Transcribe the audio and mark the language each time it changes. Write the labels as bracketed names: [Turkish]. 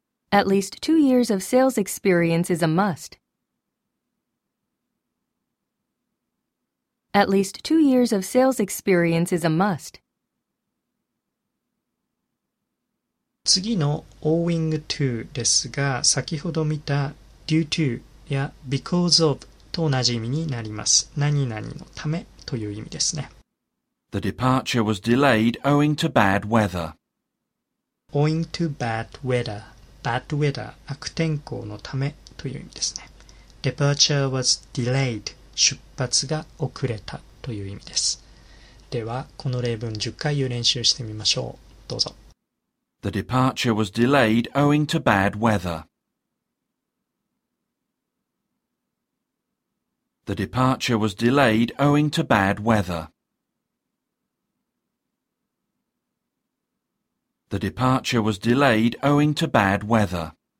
[English] At least 2 years of sales experience is a must. At least 2 years of sales experience is a must. [Japanese] 次の owing to ですが、先ほど見た due to や because of と同じ意味になります。何々のためという意味ですね。 [English] The departure was delayed owing to bad weather. Owing to bad weather. Bad weather. [Japanese] 悪天候のためという意味ですね。 [English] Departure was delayed. [Japanese] 出発が遅れたという意味です。では、この例文10回練習してみましょう。どうぞ。 [English] The departure was delayed owing to bad weather. The departure was delayed owing to bad weather. The departure was delayed owing to bad weather.